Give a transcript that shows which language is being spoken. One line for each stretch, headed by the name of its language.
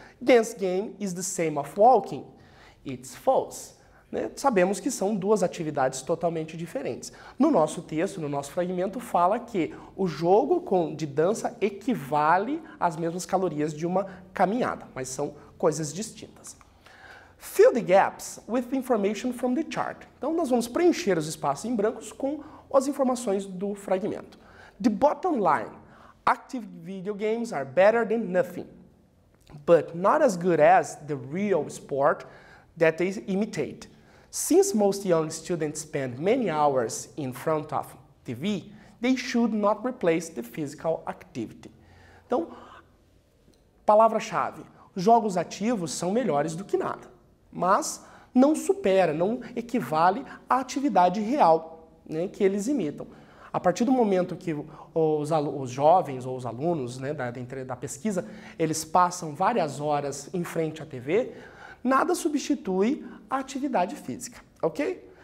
English: Dance game is the same as walking. It's false.
Portuguese: Sabemos que são duas atividades totalmente diferentes. No nosso texto, no nosso fragmento, fala que o jogo de dança equivale às mesmas calorias de uma caminhada, mas são coisas distintas.
English: Fill the gaps with information from the chart.
Portuguese: Então, nós vamos preencher os espaços em brancos com as informações do fragmento.
English: The bottom line, active video games are better than nothing, but not as good as the real sport that they imitate. Since most young students spend many hours in front of TV, they should not replace the physical activity.
Portuguese: Então, palavra-chave, jogos ativos são melhores do que nada, mas não supera, não equivale à atividade real, né, que eles imitam. A partir do momento que os jovens ou os alunos, né, da pesquisa, eles passam várias horas em frente à TV, nada substitui a atividade física, ok?